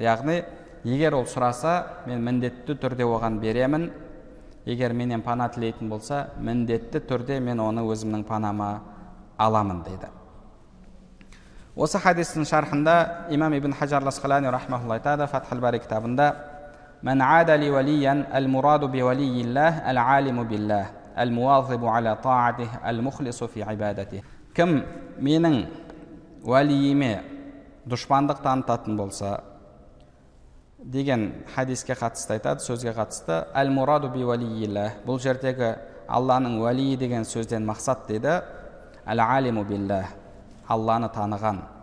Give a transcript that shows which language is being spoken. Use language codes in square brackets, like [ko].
[kk] Яғни, егер ол сұраса, мен міндетті түрде оған беремін. Егер менен пана тілейтін болса, міндетті түрде мен оны өзімнің панама аламын дейді. Осы хадистің шарқында имам ибн Хаджар ас-Қалани рахмаһуллаһ айтады, Фатхул Бари кітабында: [ar] من عاد لي وليا المراد بولي الله العالم بالله المواظب على طاعته المخلص في عبادته. [kk] كم менің валиме душпандық танытатын болса деген хадиске қатысты айтады, сөзге қатысты. [ar] المراد بولي الله, [kk] бұл жердегі Алланың вали деген сөзден мақсат деді, [ar] العالم بالله, [kk] Алланы таныған.